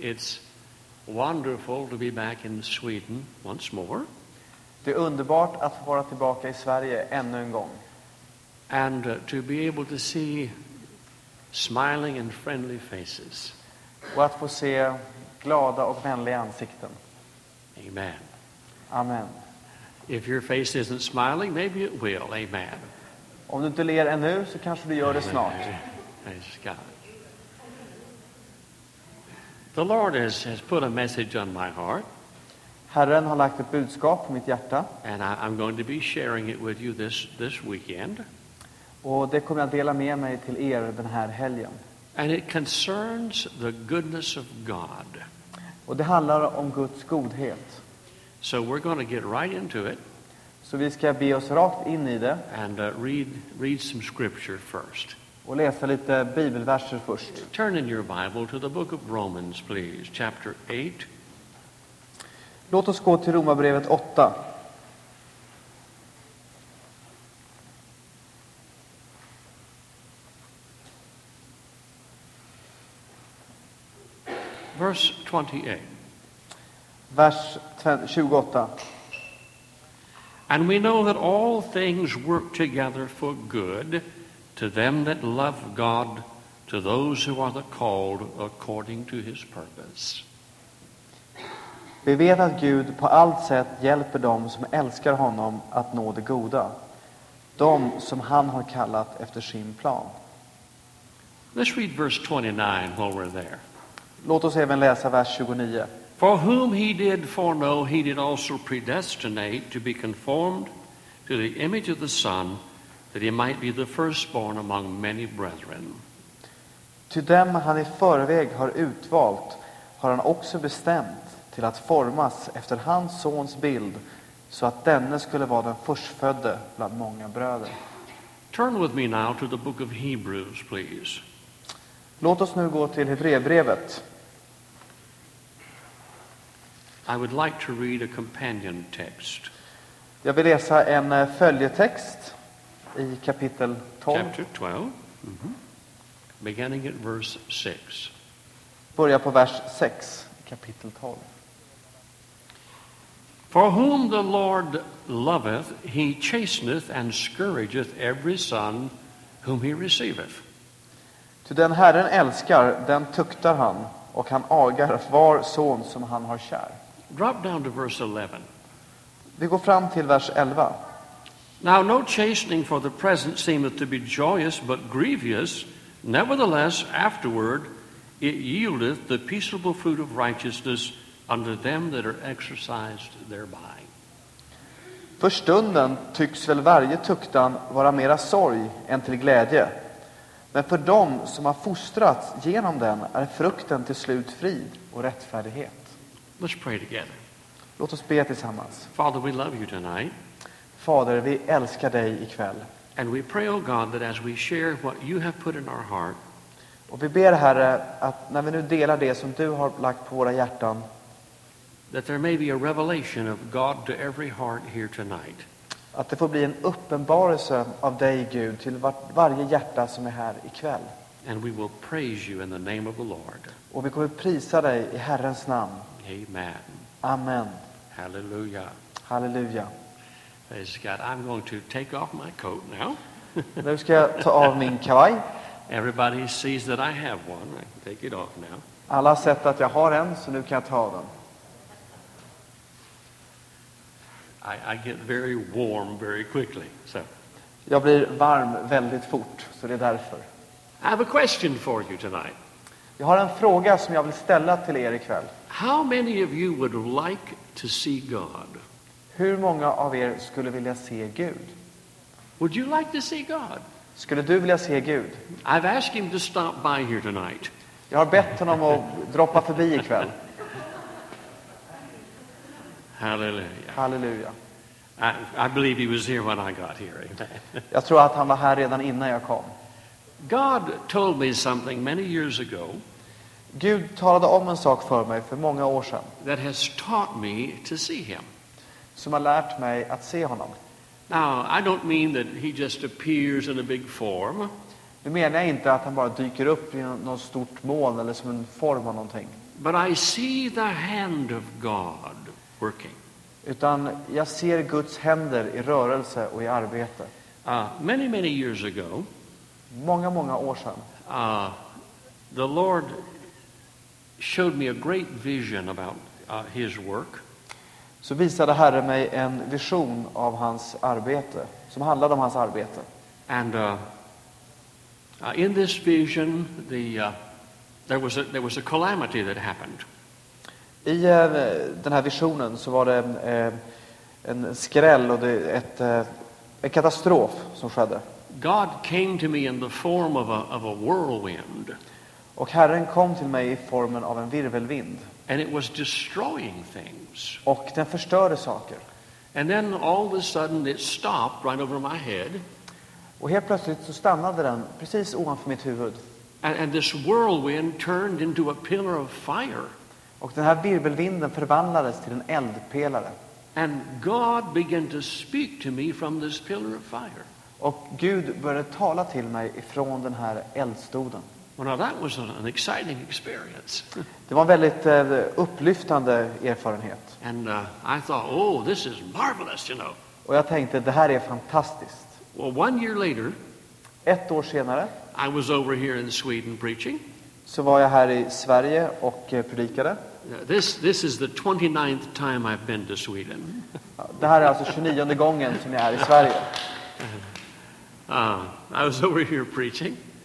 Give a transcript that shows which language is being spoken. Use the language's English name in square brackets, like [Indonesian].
[English] It's wonderful to be back in Sweden once more. [Swedish] Det är underbart att få vara tillbaka i Sverige ännu en gång. [English] And to be able to see smiling and friendly faces. [Swedish] Och att få se glada och vänliga ansikten. [English] Amen. [Swedish] Amen. [English] If your face isn't smiling, maybe it will. Amen. [Swedish] Om du inte ler ännu så kanske du gör det snart. [English] Praise God. The Lord has put a message on my heart. [Swedish] Herren har lagt ett budskap på mitt hjärta. [English] And I'm going to be sharing it with you this weekend. [Swedish] Och det kommer jag dela med mig till er den här helgen. [English] And it concerns the goodness of God. [Swedish] Och det handlar om Guds godhet. [English] So we're going to get right into it. [Swedish] Så vi ska be oss rakt in i det. [English] And read some scripture first. [Swedish] Och läsa lite bibelverser först. [English] Turn in your Bible to the book of Romans, please, chapter 8. [Swedish] Låt oss gå till Romarbrevet 8. [English] Verse 28. [Swedish] Vers 28. [English] And we know that all things work together for good to them that love God, to those who are the called according to his purpose. [Swedish] Vi vet att Gud på allt sätt hjälper dem som älskar honom att nå det goda, de som han har kallat efter sin plan. [English] Let's read verse 29 while we're there. [Swedish] Låt oss även läsa vers 29. [English] For whom he did foreknow, he did also predestinate to be conformed to the image of the Son, that he might be the firstborn among many brethren. [Swedish] Till dem han i förväg har utvalt, har han också bestämt till att formas efter hans sons bild, så att denne skulle vara den förstfödde bland många bröder. [English] Turn with me now to the book of Hebrews, please. [Swedish] Låt oss nu gå till Hebreerbrevet. [English] I would like to read a companion text. [Swedish] Jag vill läsa en följetext i kapitel 12. [English] Chapter 12. Mm-hmm. Beginning at verse 6. [Swedish] Börja på vers 6, kapitel 12. [English] For whom the Lord loveth, he chasteneth and scourgeth every son whom he receiveth. [Swedish] Så den Herren älskar, den tuktar han, och han agar var son som han har kär. [English] Drop down to verse 11. [Swedish] Vi går fram till vers 11. [English] Now no chastening for the present seemeth to be joyous but grievous, nevertheless afterward it yieldeth the peaceable fruit of righteousness unto them that are exercised thereby. [Swedish] För stunden tycks väl varje tuktan vara mera sorg än till glädje. Men för dem som har fostrats genom den är frukten till slut frid och rättfärdighet. [English] Let's pray together. [Swedish] Låt oss be tillsammans. [English] Father, we love you tonight. [Swedish] Fader, vi älskar dig ikväll. [English] And we pray, oh God, that as we share what you have put in our heart. [Swedish] Och vi ber, Herre, att när vi nu delar det som du har lagt på våra hjärtan. [English] That there may be a revelation of God to every heart here tonight. [Swedish] Att det får bli en uppenbarelse av dig, Gud, till varje hjärta som är här ikväll. [English] And we will praise you in the name of the Lord. [Swedish] Och vi kommer prisa dig i Herrens namn. [English] Amen. [Swedish] Amen. [English] Halleluja. [Swedish] Halleluja. [English] Praise God. I'm going to take off my coat now. [Swedish] Nu ska jag ta av min kavaj. [English] Everybody sees that I have one. I can take it off now. [Swedish] Alla har sett att jag har en, så nu kan jag ta av den. [English] I get very warm very quickly. So. [Swedish] Jag blir varm väldigt fort, så det är därför. [English] I have a question for you tonight. [Swedish] Jag har en fråga som jag vill ställa till er ikväll. [English] How many of you would like to see God? [Swedish] Hur många av er skulle vilja se Gud? [English] Would you like to see God? [Swedish] Skulle du vilja se Gud? [English] I've asked him to stop by here tonight. [Swedish] Jag har bett honom att droppa förbi ikväll. [English] Hallelujah. [Swedish] Hallelujah. [English] I believe he was here when I got here. [Swedish] Jag tror att han var här redan innan jag kom. [English] God told me something many years ago. [Swedish] Gud talade om en sak för mig för många år sedan. [English] That has taught me to see him. [Swedish] Som har lärt mig att se honom. [English] Now, I don't mean that he just appears in a big form. [Swedish] Nu menar jag inte att han bara dyker upp i något stort mål eller som en form av någonting. [English] But I see the hand of God working. [Swedish] Utan jag ser Guds händer i rörelse och i arbete. [English] Many years ago. [Swedish] Många år sedan. [English] The Lord showed me a great vision about his work. [Swedish] Så visade Herren mig en vision av hans arbete, som handlade om hans arbete. [English] And in this vision, there was a calamity that happened. [Swedish] I den här visionen så var det en skräll och en katastrof som skedde. [English] God came to me in the form of a whirlwind. [Swedish] Och Herren kom till mig i formen av en virvelvind. [English] And it was destroying things. [Swedish] Och den förstörde saker. [English] And then all of a sudden it stopped right over my head. [Swedish] Och helt plötsligt så stannade den precis ovanför mitt huvud. [English] And this whirlwind turned into a pillar of fire. [Swedish] Och den här virvelvinden förvandlades till en eldpelare. [English] And God began to speak to me from this pillar of fire. [Swedish] Och Gud började tala till mig ifrån den här eldstoden. [English] Well, now that was an exciting experience. [Swedish] Det var en väldigt upplyftande erfarenhet. [English] And I thought, oh, this is marvelous, you know. [Swedish] Och jag tänkte, det här är fantastiskt. [English] Well, one year later, [Swedish] ett år senare, [English] I was over here in Sweden preaching. [Swedish] Så var jag här i Sverige och predikade. [English] This is the 29th time I've been to Sweden. [Swedish] Det här är alltså 29:e gången som jag är i Sverige. [English] I was over here preaching.